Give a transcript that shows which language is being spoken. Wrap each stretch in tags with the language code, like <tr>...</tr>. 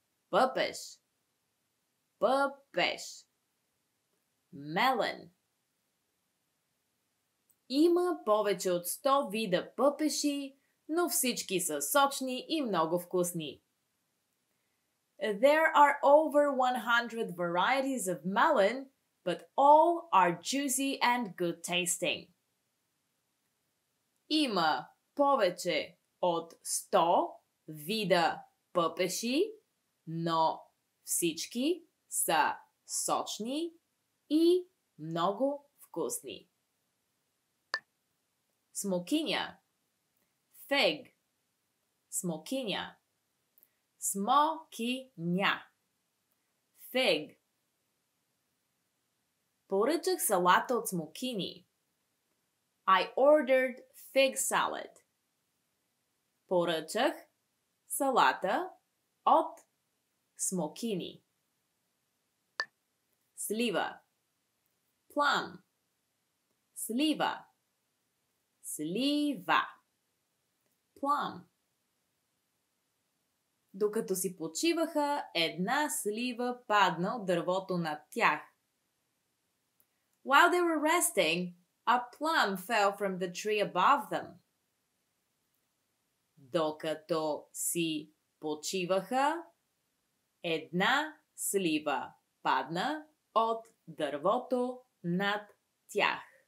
<bg>Пъпеш. Пъпеш.</bg> <en>Melon.</en> <bg>Има повече от 100 вида пъпеши, но всички са сочни и много вкусни.</bg> <en>There are over 100 varieties of melon, but all are juicy and good tasting.</en> <bg>Има повече от 100 вида пъпеши, но всички са сочни и много вкусни. Смокиня.</bg> <en>Фиг.</en> <bg>Смокиня. Смокиня.</bg> <en>Фиг.</en> <bg>Поръчах салата от смокини.</bg> <en>I ordered fig salad.</en> <bg>Поръчах салата от смокини. Слива.</bg> <en>Плам.</en> <bg>Слива. Слива.</bg> <en>Плам.</en> <bg>Докато си почиваха, една слива падна от дървото над тях.</bg> <en>While they were resting, a plum fell from the tree above them.</en> <bg>Докато си почиваха, една слива падна от дървото над тях.</bg>